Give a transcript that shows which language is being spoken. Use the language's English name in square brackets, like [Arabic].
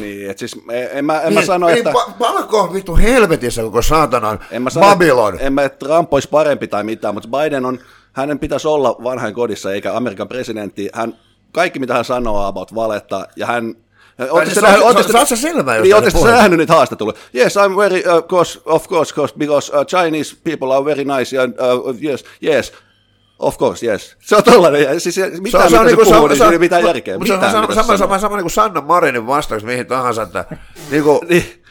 [Finnish] Niin, että siis en mä sano, että... Palko on vitun helvetissä koko saatanan Babylon. En mä, että Trump olisi parempi tai mitään, mutta Biden on, hänen pitäisi olla vanhain kodissa, eikä Amerikan presidentti, hän... Kaikki, mitä hän sanoo about valetta, ja hän... Oletko sä nähnyt niitä haastattelua? [English] Yes, I'm very, of course, because Chinese people are very nice, and yes, of course, yes. [Finnish] Se on tollainen, ja siis mitään, mitä se puhuu, niin siinä ei mitään järkeä. Sama niin kuin Sanna Marinin vastaus mihin tahansa, että niin kuin... Niin.